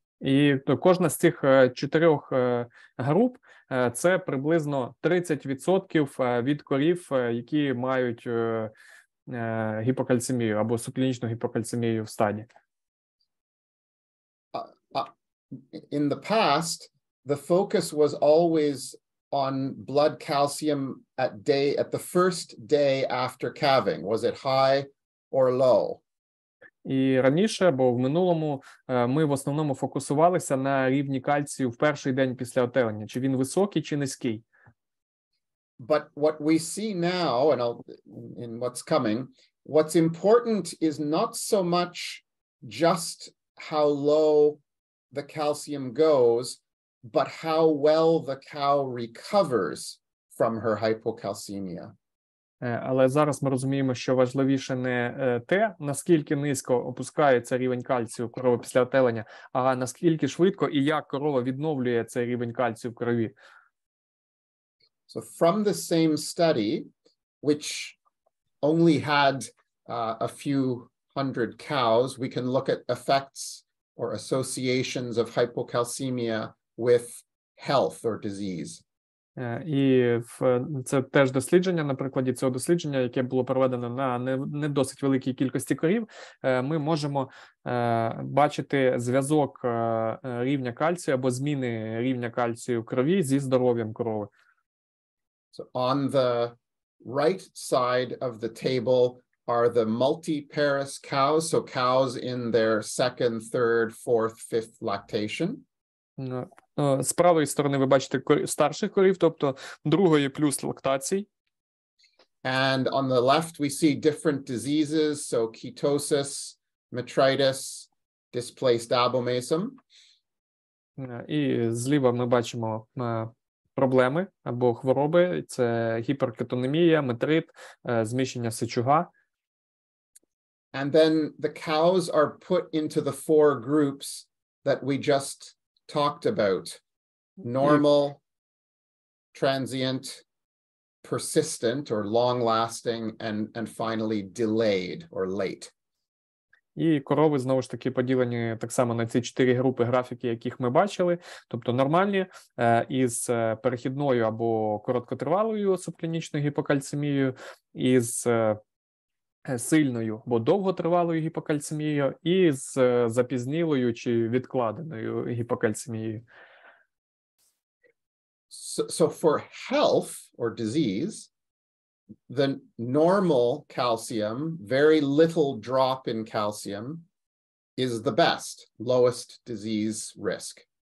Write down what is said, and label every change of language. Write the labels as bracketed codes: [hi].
[uk] І то кожна з цих чотирьох груп це приблизно 30% від корів, які мають гіпокальцемію або субклінічну гіпокальцемію в стаді. [en] In the past, the focus was always on blood calcium at the first day after calving. Was it high or low? [uk] І раніше, бо в минулому, ми в основному фокусувалися на рівні кальцію в перший день після отелення. Чи він високий, чи низький? [en] But what we see now, and in what's coming, what's important is not so much just how low the calcium goes, but how well the cow recovers from her hypocalcemia. [uk] Але зараз ми розуміємо, що важливіше не те, наскільки низько опускається рівень кальцію корови після отелення, а наскільки швидко і як корова відновлює цей рівень кальцію в крові. [en] So from the same study, which only had a few hundred cows, we can look at effects or associations of hypocalcemia with health or disease. [uk] І це теж дослідження, на прикладі цього дослідження, яке було проведено на не досить великій кількості корів, ми можемо бачити зв'язок рівня кальцію або зміни рівня кальцію в крові зі здоров'ям корови. [en] So on the right side of the table are the multiparous cows, so cows in their second, third, fourth, fifth lactation. [uk] З правої сторони ви бачите старших корів, тобто другої плюс лактацій. [en] And on the left we see different diseases, so ketosis, metritis, displaced abomasum. [uk] І зліва ми бачимо проблеми або хвороби, це гіперкетонемія, метрит, зміщення сечуга. [en] And then the cows are put into the four groups that we just talked about: normal, transient, persistent or long lasting, and finally delayed or late. [uk] І корови знову ж таки поділені так само на ці чотири групи графіки, яких ми бачили, тобто нормальні із перехідною або короткотривалою субклінічною гіпокальцемією, із сильною або довготривалою гіпокальцемією і з запізнілою чи відкладеною гіпокальцемією. [en] So for health or disease, the normal calcium, very little drop in calcium, is the best, lowest disease risk.